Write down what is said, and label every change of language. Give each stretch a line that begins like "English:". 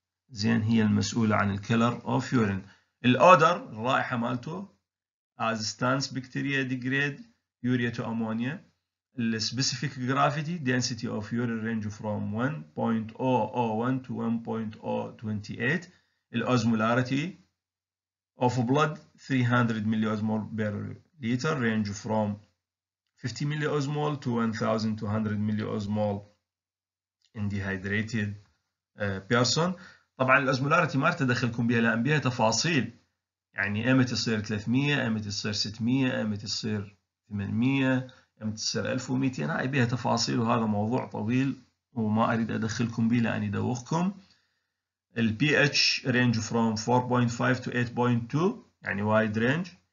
Arabic: زين هي المسؤولة عن الكلر
English: of urine.
Arabic: الأودر الرائحة مالته
English: as stands bacteria degrade urea to ammonia. The specific gravity density of urine range from 1.001 to 1.028. الأوزمولارتي of blood 300 milliosmol per liter range from 50 milliosmol to 1200 milliosmol in dehydrated person.
Arabic: طبعا الاوزمولاريتي ما ارتدخلكم بها لان بها تفاصيل, يعني امتى يصير 300, امتى يصير 600, امتى يصير 800, امتى يصير 1200, هاي بها تفاصيل وهذا موضوع طويل وما اريد ادخلكم به لان يدوخكم. البي اتش رينج فروم 4.5 تو 8.2 يعني وايد رينج.